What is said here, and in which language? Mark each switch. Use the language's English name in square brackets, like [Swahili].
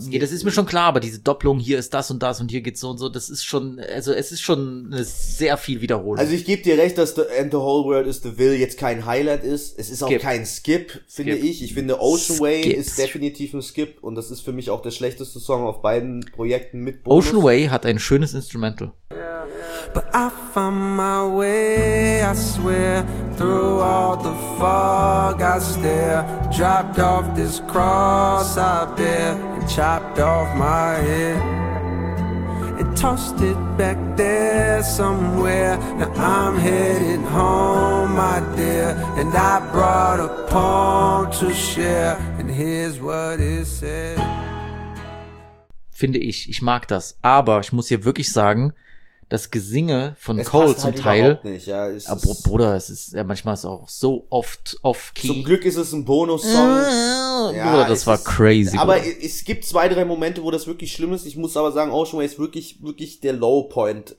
[German] Ja, das ist mir schon klar, aber diese Doppelung, hier ist das und das und hier geht's so und so, das ist schon, also es ist schon eine sehr viel Wiederholung. Also ich gebe dir recht, dass And the Whole World is the Will jetzt kein Highlight ist. Es ist auch kein Skip, finde ich. Ich finde Ocean Way ist definitiv ein Skip und das ist für mich auch der schlechteste Song auf beiden Projekten mit Bonus. Ocean Way hat ein schönes Instrumental. [English] But I found my way, I swear, through all the fog I stare, dropped off this cross I bear, and chopped off my head, and tossed it back there somewhere, now I'm headed home, my dear, and I brought a poem to share, and here's what it said. [German] Finde ich, ich mag das, aber ich muss hier wirklich sagen, das Gesinge von es Cole passt zum halt Teil. Nicht, ja. Es ist, Bruder, es ist ja manchmal ist auch so oft off-key. Zum Glück ist es ein Bonus-Song. Bruder, ja, das war crazy. Aber Bruder. Es gibt zwei, drei Momente, wo das wirklich schlimm ist. Ich muss aber sagen, Ocean Way ist wirklich der Low Point.